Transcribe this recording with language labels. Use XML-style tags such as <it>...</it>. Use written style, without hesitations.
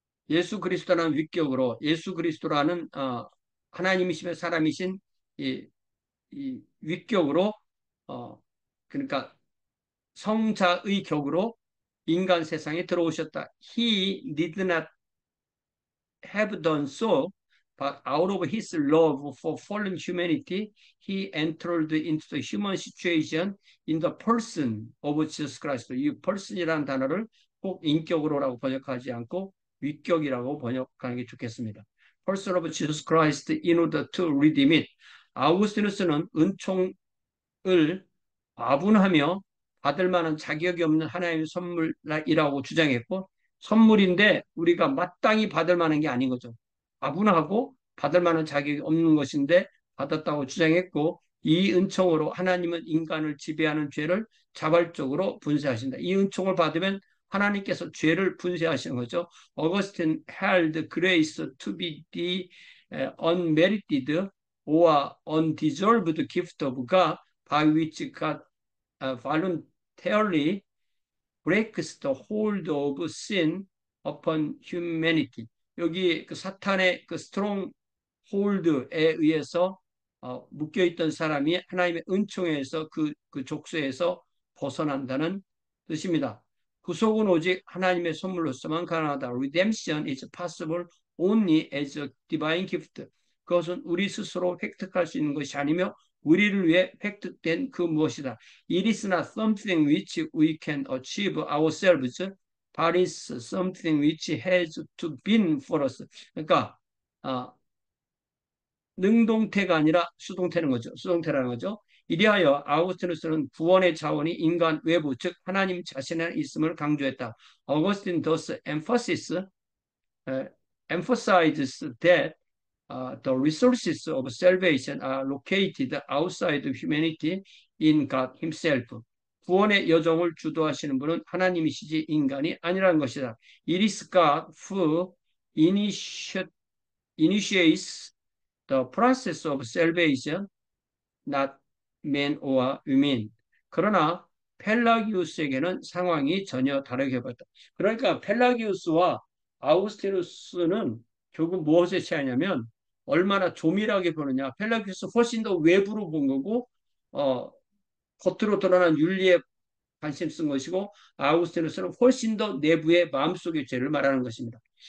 <ko>예수 그리스도라는 위격으로, 예수 그리스도라는 하나님이신 사람이신 이 위격으로, 그러니까 성자의 격으로 인간 세상에 들어오셨다.</ko> <en>He did not have done so, but out of his love for fallen humanity, he entered into the human situation in the person of Jesus Christ.</en> <ko>이 person이라는 단어를 꼭 인격으로라고 번역하지 않고 위격이라고 번역하는 게 좋겠습니다.</ko> <en>Person of Jesus Christ in order to redeem it.</en> <ko>아우구스티누스는 은총을 아분하며 받을 만한 자격이 없는 하나님의 선물이라고 주장했고, 선물인데 우리가 마땅히 받을 만한 게 아닌 거죠. 아분하고 받을 만한 자격이 없는 것인데 받았다고 주장했고, 이 은총으로 하나님은 인간을 지배하는 죄를 자발적으로 분쇄하신다. 이 은총을 받으면 하나님께서 죄를 분쇄하시는 거죠.</ko> <en>Augustine held grace to be the unmerited or undeserved gift of God by which God voluntarily breaks the hold of sin upon humanity.</en> <ko>여기 그 사탄의 그 strong hold에 의해서 묶여있던 사람이 하나님의 은총에서 그 족쇄에서 벗어난다는 뜻입니다. 구속은 오직 하나님의 선물로서만 가능하다.</ko> <en>Redemption is possible only as a divine gift.</en> <ko>그것은 우리 스스로 획득할 수 있는 것이 아니며 우리를 위해 획득된 그 무엇이다.</ko> <en>It is not something which we can achieve ourselves, but it's something which has to be for us.</en> <ko>그러니까 능동태가 아니라 수동태는 거죠. 수동태라는 거죠. 이리하여 아우구스티누스는 구원의 자원이 인간 외부, 즉 하나님 자신의 있음을 강조했다.</ko> <en>Augustine thus emphasizes that the resources of salvation are located outside of humanity in God Himself.</en> <ko>구원의 여정을 주도하시는 분은 하나님이시지 인간이 아니라는 것이다.</ko> <en>It is God who initiates the process of salvation, not men or women.</en> <ko>그러나 펠라기우스에게는 상황이 전혀 다르게 보였다. 그러니까 펠라기우스와 아우구스티누스는 결국 무엇에 차이냐면 얼마나 조밀하게 보느냐. 펠라기우스 훨씬 더 외부로 본 거고, 겉으로 드러난 윤리에 관심 쓴 것이고, 아우구스티누스는 훨씬 더 내부의 마음속의 죄를 말하는 것입니다.</ko>